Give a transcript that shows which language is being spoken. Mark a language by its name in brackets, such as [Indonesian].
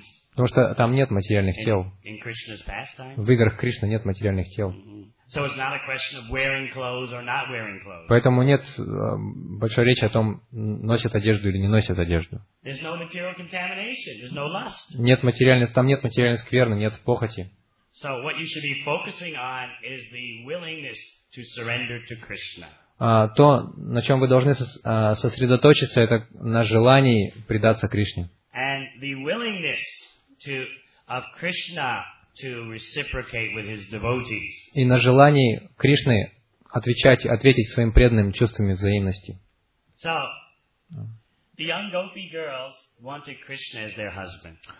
[Russian] Потому что там нет материальных тел. В играх Кришны нет материальных тел. [English] So it's not a question of wearing clothes or not wearing clothes. [Russian] Поэтому нет большой речи о том, носит одежду или не носит одежду. [English] There's no material contamination, there's no lust. [Russian] Нет материальной, там нет материальной скверны, нет похоти. [English] So what you should be focusing on is the willingness to surrender to Krishna. [Russian] То, на чем вы должны сосредоточиться, это на желании предаться Кришне. [English] And the willingness to of Krishna to reciprocate with his devotees. [Russian] И на желании Кришны ответить своим преданным чувствами взаимности. [English] So the young gopi girls wanted Krishna as their husband.